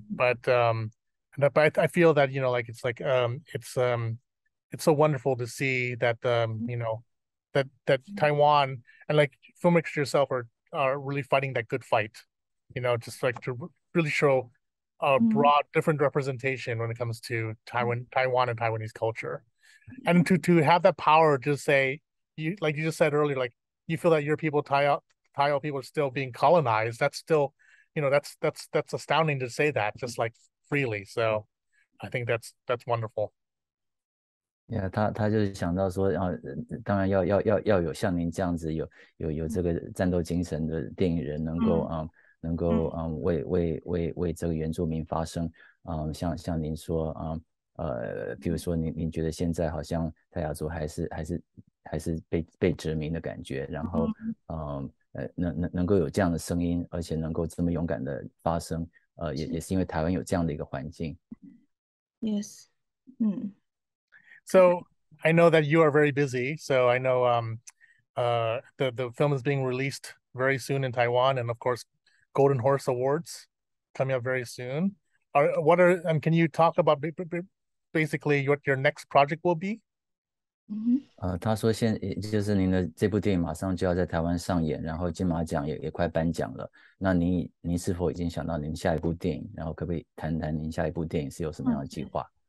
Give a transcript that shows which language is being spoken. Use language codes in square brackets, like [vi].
[en] But I feel that, you know, like it's like it's so wonderful to see that you know, that Taiwan and like filmmakers yourself are really fighting that good fight, you know, just like to really show a broad different representation when it comes to Taiwan and Taiwanese culture. And to have that power to say, you just said earlier, like you feel that your people, Taiwan people, are still being colonized. That's still, you know, that's astounding to say that just like freely. So I think that's wonderful. [zh] Yeah, 他就是想到说，当然要有像您这样子有这个战斗精神的电影人能够为这个原住民发声，像您说比如说您觉得现在好像大亚族还是被殖民的感觉，然后能够有这样的声音，而且能够这么勇敢的发声，也是因为台湾有这样的一个环境。 [en] Yes. So I know that you are very busy. So I know the film is being released very soon in Taiwan, and of course, Golden Horse Awards coming up very soon. Can you talk about basically what your next project will be? [zh] 他说现就是您的这部电影马上就要在台湾上演，然后金马奖也快颁奖了。那您是否已经想到您下一部电影？然后可不可以谈谈您下一部电影是有什么样的计划？